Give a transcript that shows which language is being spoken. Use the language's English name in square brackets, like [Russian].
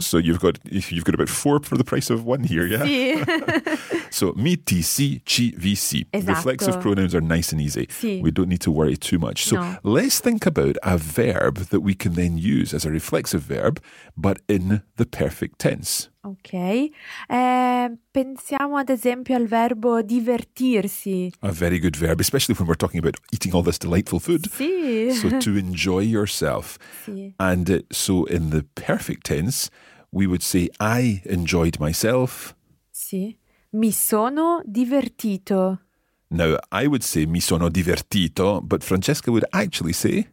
[English] So you've got about four for the price of one here, yeah? [Italian] Si. [English] So [Italian] mi, ti, si, ci, vi, si. [English] Exactly. Reflexive pronouns are nice and easy. [Italian] Si. [English] We don't need to worry too much. So no. Let's think about a verb that we can then use as a reflexive verb, but in the perfect tense. [Italian] Ok, pensiamo ad esempio al verbo divertirsi. [English] A very good verb, especially when we're talking about eating all this delightful food. [Italian] Sì. [English] So to enjoy yourself. [Italian] Sì. [English] And so in the perfect tense, we would say I enjoyed myself. [Italian] Sì, mi sono divertito. [English] Now, I would say [Italian] mi sono divertito, [English] but Francesca would actually say